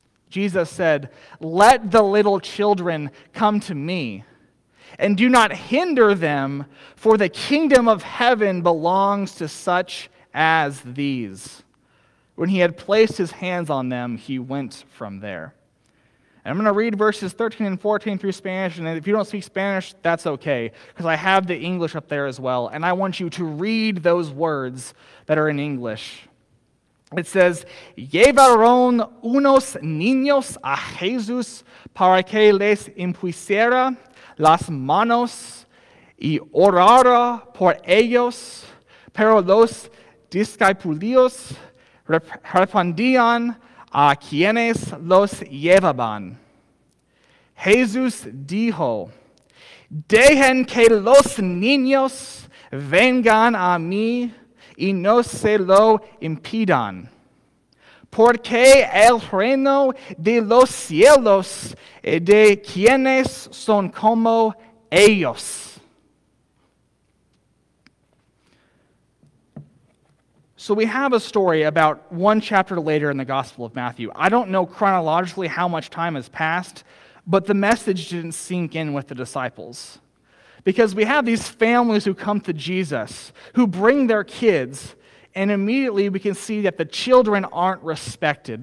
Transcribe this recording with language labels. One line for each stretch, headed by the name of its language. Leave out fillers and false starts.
English: Jesus said, "Let the little children come to me, and do not hinder them, for the kingdom of heaven belongs to such as these." When he had placed his hands on them, he went from there. And I'm going to read verses 13 and 14 through Spanish, and if you don't speak Spanish, that's okay, because I have the English up there as well, and I want you to read those words that are in English. It says,
Spanish: "Llevaron unos niños a Jesús para que les impusiera las manos y orara por ellos, pero los discípulos respondían a quienes los llevaban. Jesús dijo, 'Dejen que los niños vengan a mí y no se lo impidan, porque el reino de los cielos es de quienes son como ellos.'"
English: So we have a story about one chapter later in the Gospel of Matthew. I don't know chronologically how much time has passed, but the message didn't sink in with the disciples. Because we have these families who come to Jesus, who bring their kids, and immediately we can see that the children aren't respected.